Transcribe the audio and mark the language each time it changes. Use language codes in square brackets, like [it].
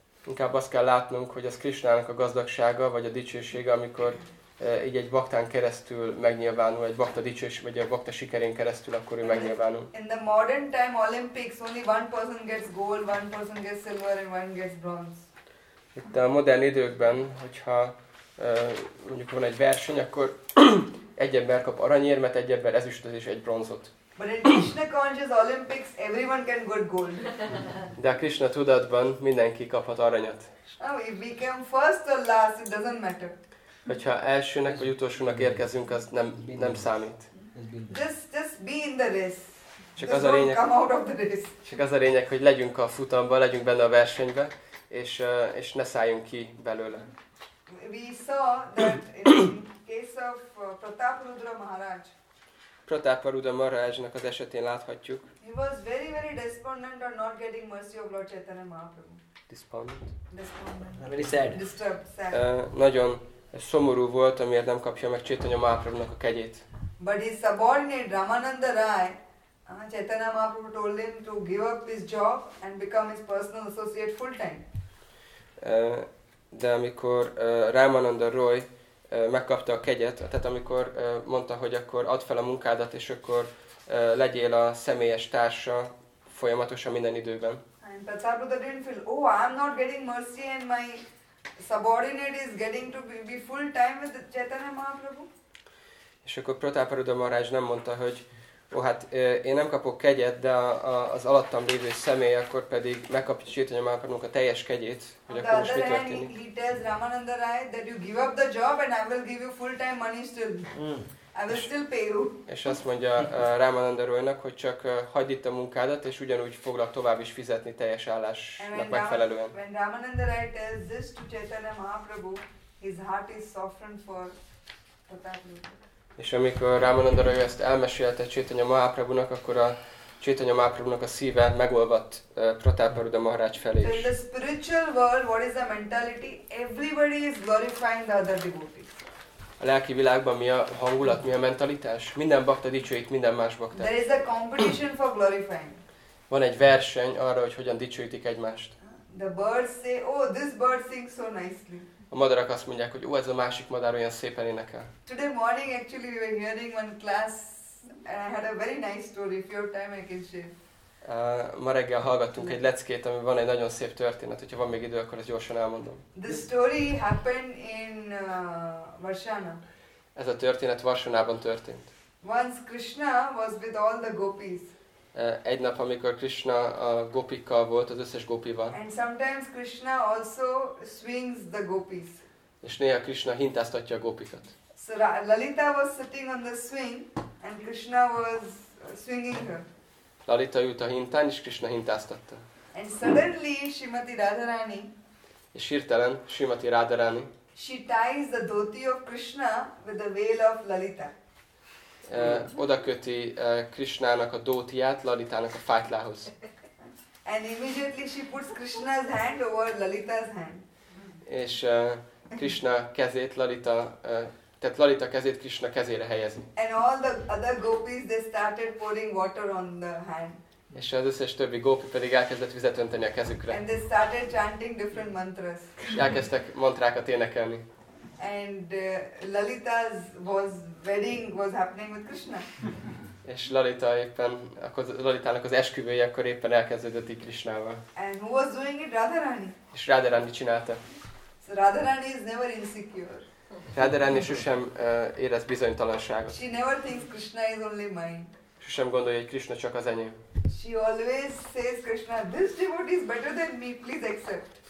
[hu] Inkább azt kell látnunk, hogy az Krishnának a gazdagsága vagy a dicsősége, amikor így egy baktán keresztül megnyilvánul, egy bakta dicsős, vagy a bakta sikerén keresztül, akkor ő megnyilvánul. [en] In the modern time Olympics only one person gets gold, one person gets silver and one gets bronze. [hu] Itt a modern időkben, hogyha mondjuk van egy verseny, akkor egy ember kap aranyérmet, egy ember ezüstöt és egy bronzot. [en] But in Krishna conscious Olympics everyone can get gold. [hu] De a Krishna tudatban mindenki kaphat aranyat. [en] Oh, if we came first or last, it doesn't matter. [hu] Hogyha elsőnek vagy utolsónak érkezünk, az nem számít. [en] Just be in the race. [hu] Csak az a lényeg, [en] come out of the race. [hu] Csak az a lényeg, hogy legyünk a futamban, legyünk benne a versenyben, és ne szálljunk ki belőle. [en] We saw that in case of Prataparudra Maharaj. [hu] Prataparudra Maharajnak az esetén láthatjuk. [en] He was very very despondent on not getting mercy of Lord Chaitanya Mahaprabhu. Despondent. Despondent. Very sad. Disturbed, sad. [hu] Nagyon szomorú volt, amiért nem kapja meg Chaitanya Mahaprabhu-nak a kegyét. [en] But his subordinate Ramananda Rai, Chaitanya Mahaprabhu told him to give up his job and become his personal associate full time. [hu] De amikor Ramananda Roy megkapta a kegyet, tehát amikor mondta, hogy akkor add fel a munkádat, és akkor legyél a személyes társa folyamatosan minden időben. [en] And Prataparudra didn't feel, oh, I'm not getting mercy and my subordinate is getting to be full time with Chaitanya Mahaprabhu. [hu] És akkor Prataparudra Maharaj nem mondta, hogy hát én nem kapok kegyet, de az alattam lévő személy akkor pedig megkapja Chaitanya Mahaprabhunk a teljes kegyét, hogy akkor most mi történik. [en] He tells Ramananda Rai that you give up the job and I will give you full time money still. I will still pay you. [hu] És azt mondja Ramananda Rai-nak, hogy csak hagyd itt a munkádat, és ugyanúgy foglak tovább is fizetni teljes állásnak megfelelően. [en] When Ramananda Rai tells this to Chaitanya Mahaprabhu, his heart is softened for Prataparudra. [hu] És amikor Ramananda Rai ezt elmesélte Chaitanya Mahaprabhunak, akkor a Chaitanya Mahaprabhunak a szíve megolvadt Prataparudra Maharaj felé is. [en] In the spiritual world, what is the mentality? Everybody is glorifying the other devotees. [hu] A lelki világban mi a hangulat, mi a mentalitás? Minden bakta dicsőít minden más baktát. [en] There is a competition for glorifying. [hu] Van egy verseny arra, hogy hogyan dicsőítik egymást. [en] The birds say, oh, this bird sings so nicely. [hu] A madarak azt mondják, hogy ó, ez a másik madár olyan szépen énekel. [en] Today morning actually we were hearing one class and I had a very nice story. If you have time I can share. [hu] Ma reggel hallgattunk egy leckét, ami van egy nagyon szép történet. Hogyha van még idő, akkor ezt gyorsan elmondom. [en] The story happened in Varsana. [hu] Ez a történet Varsanában történt. [en] Once Krishna was with all the gopis. [hu] Egy nap, amikor Krishna a gopikkal volt, az összes gopival. [en] And sometimes Krishna also swings the gopis. [hu] És néha Krishna hintáztatja a gopikat. [en] So Lalita was sitting on the swing, and Krishna was swinging her. [hu] Lalita ült a hintán, és Krishna hintáztatta. [en] And suddenly Srimati Radharani. [hu] És hirtelen Srimati Radharani. [en] She ties the dhoti of Krishna with the veil of Lalita. [hu] Odaköti Krishnának a dótiát Lalitának a fátylához. [en] And immediately she puts Krishna's hand over Lalita's hand. [hu] És Krishna kezét Lalita, tehát Lalita kezét Krishna kezére helyezi. [en] And all the other gopis they started pouring water on the hand. [hu] És az összes többi gópi pedig elkezdett vizet önteni a kezükre. [en] And they started chanting different mantras. [hu] És elkezdtek mantrákat énekelni. [en] And Lalita's was wedding was happening with Krishna. [hu] És Lalita éppen, akkor Lalitának az esküvője akkor éppen elkezdődött Krishnával. [en] And who was doing it? Radharani. [hu] És Radharani csinálta. [en] So Radharani is never insecure. [hu] Radharani sosem érez bizonytalanságot. [en] She never thinks Krishna is only mine. [hu] Sosem gondolja, hogy Krishna csak az enyém. [en] She always says, Krishna, this devotee is better than me, please accept.